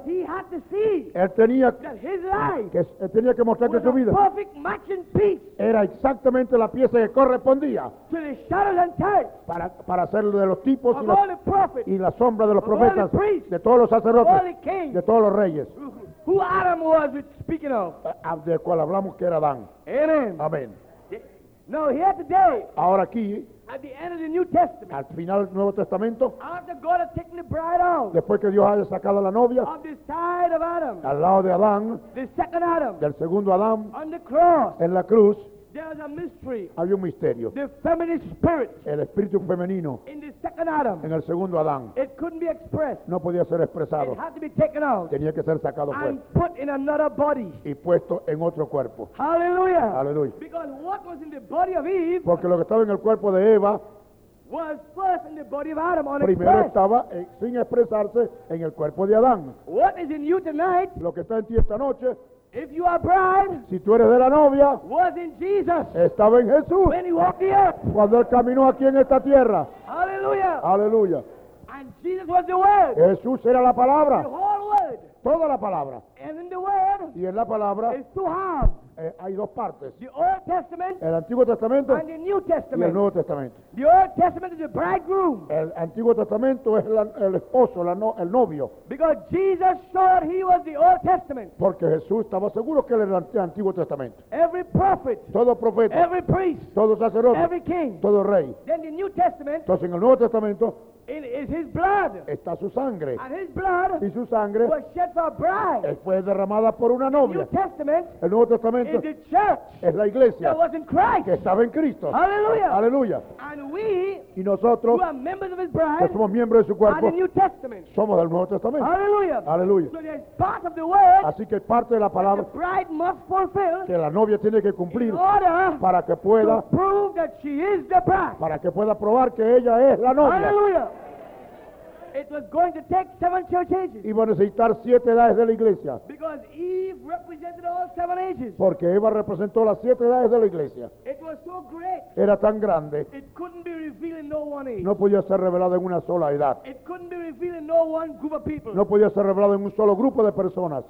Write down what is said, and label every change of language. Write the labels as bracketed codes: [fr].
[en] He had to see. [es] Él tenía. [en] That his life. [es] Que él tenía que mostrar que su vida. [en] Was a perfect match and piece. [es] Era exactamente la pieza que correspondía. [en] To the shadows and types. [es] Para hacerlo de los tipos [en] of all the prophets, [es] y la sombra de los profetas, [en] priests, [es] de todos los sacerdotes, [en] all the kings, [es] de todos los reyes. [en] Who Adam was speaking of? [es] De cual hablamos que era Adán. [en] Amen. [es] Amen. [en] No, here today. [es] Ahora aquí. [en] At the end of the New Testament. [es] Al final del Nuevo Testamento. [en] After God had taken the bride out. [es] Después que Dios haya sacado a la novia. [en] On the side of Adam. [es] Al lado de Adán. [en] The second Adam. [es] Del segundo Adán. [en] On the cross. [es] En la cruz. [en] There's a mystery. [es] Hay un misterio. [en] The feminine spirit. [es] El espíritu femenino. [en] In the second Adam. [es] En el segundo Adán. [en] It couldn't be expressed. [es] No podía ser expresado. [en] It had to be taken out. [es] Tenía que ser sacado fuera. [en] And put in another body. [es] Y puesto en otro cuerpo. [en] Hallelujah. [es] Hallelujah. [en] Because what was in the body of Eve. [es] Porque lo que estaba en el cuerpo de Eva. [en] Was first in the body of Adam, unexpressed. [es] Primero estaba sin expresarse en el cuerpo de Adán. [en] What is in you tonight? [es] Lo que está en ti esta noche. [en] If you are bride, [es] si tú eres de la novia, [en] was in Jesus, [es] estaba en Jesús, [en] when he walked the earth, [es] cuando él caminó aquí en esta tierra, [en] hallelujah, [es] hallelujah, [en] and Jesus was the word, [es] Jesús era la palabra, [en] the whole word, [es] toda la palabra, [en] and in the word, [es] y en la palabra, [en] is two halves, [es] hay dos partes, [en] the Old Testament, [es] el Antiguo Testamento, [en] and the New Testament, [es] y el Nuevo Testamento, [en] the Old Testament is the bridegroom, [es] el Antiguo Testamento es el esposo, el novio, [en] because Jesus thought he was the Old Testament, [es] porque Jesús estaba seguro que él era el Antiguo Testamento, [en] every prophet, [es] todo profeta, [en] every priest, [es] todo sacerdote, [en] every king, [es] todo rey, [en] then the New Testament, [es] entonces en el Nuevo Testamento, [en] it is his blood. [es] Está su sangre. [en] And his blood. [es] Y su sangre. [en] Was shed for a bride. [es] Fue derramada por una novia. [en] The New Testament. [es] El Nuevo Testamento. [en] Is the church. [es] Es la iglesia. [en] That was in Christ. [es] Que estaba en Cristo. [en] Hallelujah. [es] Hallelujah. [en] And we. [es] Y nosotros. [en] Who are members of his bride. [es] Que somos miembros de su cuerpo. [en] Are the New Testament. [es] Somos del Nuevo Testamento. [en] Hallelujah. [es] Hallelujah. [en] So there is part of the word. [es] Así que parte de la palabra. [en] The bride must fulfill. [es] Que la novia tiene que cumplir. [en] In order. [es] Para que pueda. [en] To prove that she is the bride. [es] Para que pueda probar que ella es la novia. [en] Hallelujah. It was going to take 7 church ages. [es] Iba a necesitar 7 edades de la iglesia. [en] Because Eve represented all 7 ages. [es] Porque Eva representó las 7 edades de la iglesia. [en] It was so great. [es] Era tan grande. [en] It couldn't be revealed in no one age. [es] No podía ser revelado en una sola edad. [en] It couldn't be revealed in no one group of people. [es] No podía ser revelado en un solo grupo de personas.